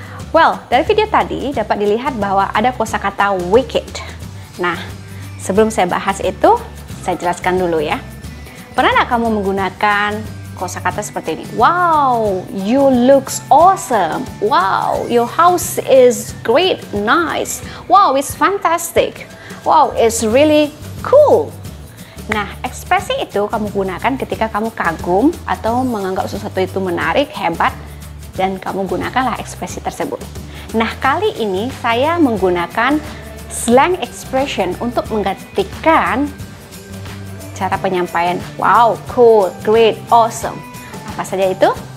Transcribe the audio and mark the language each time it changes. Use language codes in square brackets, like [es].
[id] Well, dari video tadi dapat dilihat bahwa ada kosakata wicked. Nah, sebelum saya bahas itu, saya jelaskan dulu ya. Pernah gak kamu menggunakan kosakata seperti ini? [en] Wow, you looks awesome. Wow, your house is great, nice. Wow, it's fantastic. Wow, it's really cool. [id] Nah, ekspresi itu kamu gunakan ketika kamu kagum atau menganggap sesuatu itu menarik, hebat, dan kamu gunakanlah ekspresi tersebut. Nah, kali ini saya menggunakan slang expression untuk menggantikan cara penyampaian wow, cool, great, awesome. Apa saja itu?